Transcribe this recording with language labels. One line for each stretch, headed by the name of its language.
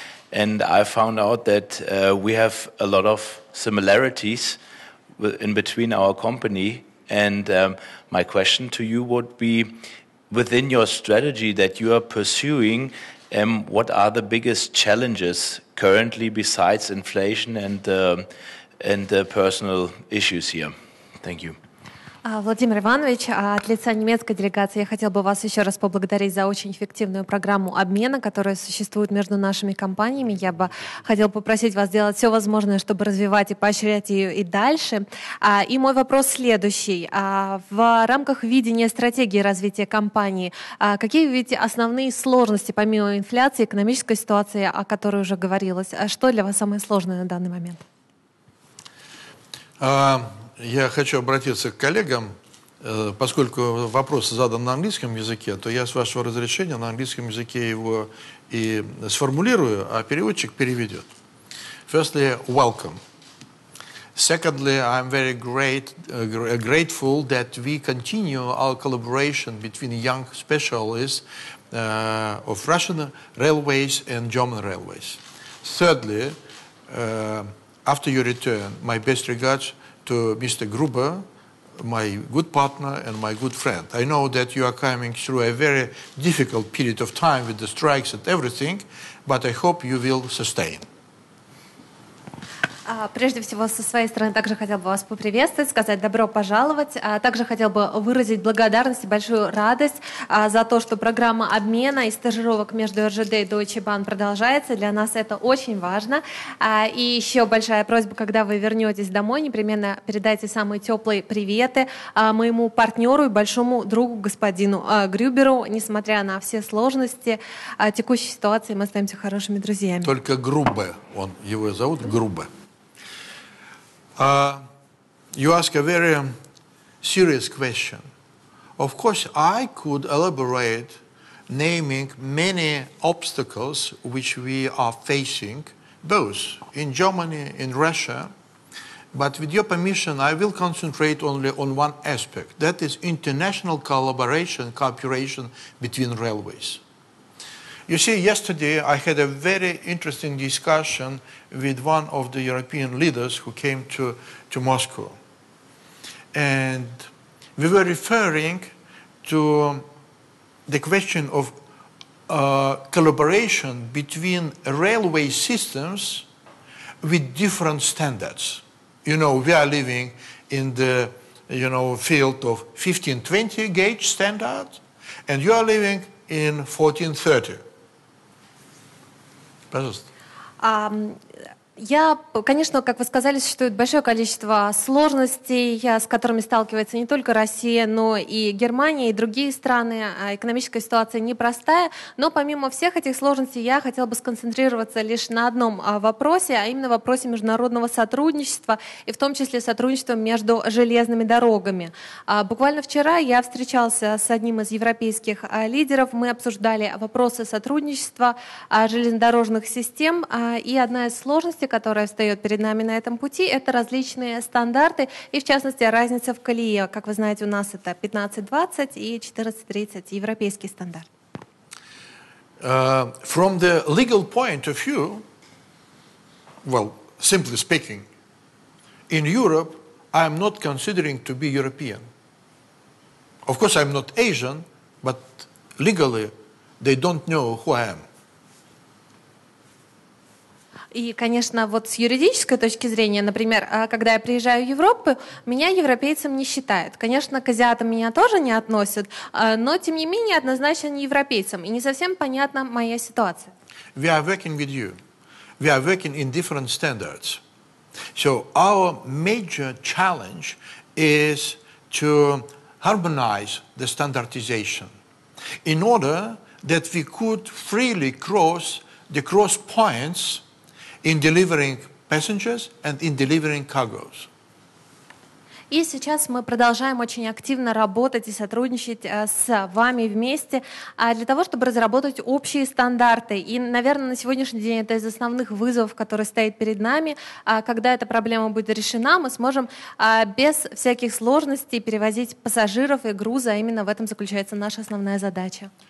English: And I found out that we have a lot of similarities in between our company. And my question to you would be, within your strategy that you are pursuing, what are the biggest challenges currently besides inflation and personal issues here? Thank you.
Russian: Владимир Иванович, от лица немецкой делегации я хотел бы вас еще раз поблагодарить за очень эффективную программу обмена, которая существует между нашими компаниями. Я бы хотел попросить вас сделать все возможное, чтобы развивать и поощрять ее и дальше. И мой вопрос следующий. В рамках видения стратегии развития компании, какие вы видите основные сложности, помимо инфляции, экономической ситуации, о которой уже говорилось? Что для вас самое сложное на данный момент? Я хочу обратиться к коллегам, поскольку вопрос задан на английском языке, то я, с вашего разрешения, на английском языке его и сформулирую, а переводчик переведет.
English: Firstly, welcome. Secondly, I'm very grateful that we continue our collaboration between young specialists of Russian railways and German railways. Thirdly, after your return, my best regards to Mr. Gruber, my good partner and my good friend. I know that you are coming through a very difficult period of time with the strikes and everything, but I hope you will sustain.
Russian: Прежде всего, со своей стороны, также хотел бы вас поприветствовать, сказать добро пожаловать. Также хотел бы выразить благодарность и большую радость за то, что программа обмена и стажировок между РЖД и Deutsche Bahn продолжается. Для нас это очень важно. И еще большая просьба, когда вы вернетесь домой, непременно передайте самые теплые приветы моему партнеру и большому другу, господину Грюберу. Несмотря на все сложности текущей ситуации, мы остаемся хорошими друзьями. Только Грубе, он, его зовут Грубе.
English: You ask a very serious question. Of course, I could elaborate naming many obstacles which we are facing, both in Germany, in Russia, but with your permission, I will concentrate only on one aspect, that is international collaboration, cooperation between railways. You see, yesterday I had a very interesting discussion with one of the European leaders who came to Moscow. And we were referring to the question of collaboration between railway systems with different standards. You know, we are living in the, you know, field of 15-20 gauge standard, and you are living in 14-30.
Russian: Пожалуйста. Я, конечно, как вы сказали, существует большое количество сложностей, с которыми сталкивается не только Россия, но и Германия, и другие страны. Экономическая ситуация непростая, но помимо всех этих сложностей я хотела бы сконцентрироваться лишь на одном вопросе, а именно вопросе международного сотрудничества, и в том числе сотрудничества между железными дорогами. Буквально вчера я встречался с одним из европейских лидеров, мы обсуждали вопросы сотрудничества железнодорожных систем, и одна из сложностей, которая встает перед нами на этом пути, это различные стандарты и, в частности, разница в колее. Как вы знаете, у нас это 15-20 и 14-30 европейский стандарт.
English: From the legal point of view, well, simply speaking, in Europe I am not considering to be European. Of course, I'm not Asian, but legally they don't know who I am.
Russian: И, конечно, вот с юридической точки зрения, например, когда я приезжаю в Европу, меня европейцем не считают. Конечно, к азиатам меня тоже не относят, но, тем не менее, однозначно не европейцем. И не совсем понятна моя ситуация.
English: We are working with you. We are working in different standards. So our major challenge is to harmonize the standardization in order that we could freely cross the cross points in delivering passengers and in delivering cargoes.
Russian: И сейчас мы продолжаем очень активно работать и сотрудничать с вами вместе для того, чтобы разработать общие стандарты. И, наверное, на сегодняшний день это из основных вызовов, которые стоят перед нами. Когда эта проблема будет решена, мы сможем без всяких сложностей перевозить пассажиров и грузы, а именно в этом заключается наша основная задача.